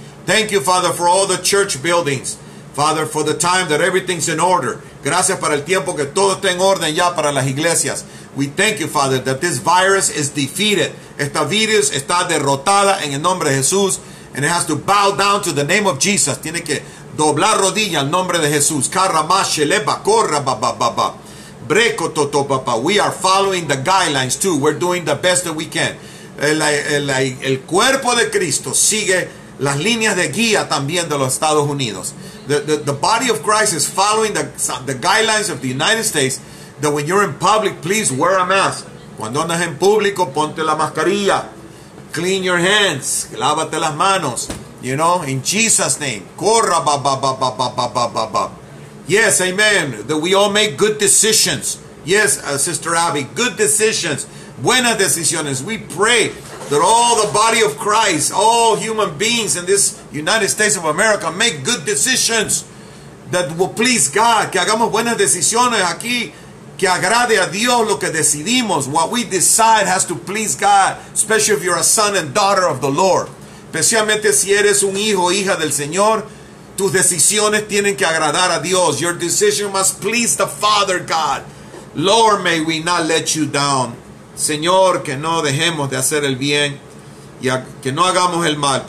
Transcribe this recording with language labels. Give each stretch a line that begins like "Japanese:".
English: Thank you, Father, for all the church buildings. Father, for the time that everything's in order.
Spanish: Gracias para el tiempo que todo está en orden ya para las iglesias.
English: We thank you, Father, that this virus is defeated.
Spanish: Esta virus está derrotada en el nombre de Jesús.
English: And it has to bow down to the name of Jesus.
Spanish: Tiene que doblar rodilla al nombre de Jesús.
English: We are following the guidelines too. We're doing the best that we can.
Spanish: El cuerpo de Cristo sigue las líneas de guía también de los Estados Unidos.
English: The body of Christ is following the guidelines of the United States. That when you're in public, please wear a mask.
Spanish: Cuando andas en público, ponte la mascarilla.
English: Clean your hands.
Spanish: Lávate las manos.
English: You know, in Jesus' name. Corra, ba, ba, ba, ba, ba, ba, ba, ba. Yes, amen. That we all make good decisions. Yes, Sister Abby, good decisions.
Spanish: Buenas decisiones.
English: We pray that all the body of Christ, all human beings in this United States of America, make good decisions that will please God.
Spanish: Que hagamos buenas decisiones aquí. Que agrade a Dios lo que decidimos.
English: What we decide has to please God, especially if you're a son and daughter of the Lord.
Spanish: Especialmente si eres un hijo o hija del Señor, tus decisiones tienen que agradar a Dios.
English: Your decision must please the Father God. Lord, may we not let you down.
Spanish: Señor, que no dejemos de hacer el bien y que no hagamos el mal.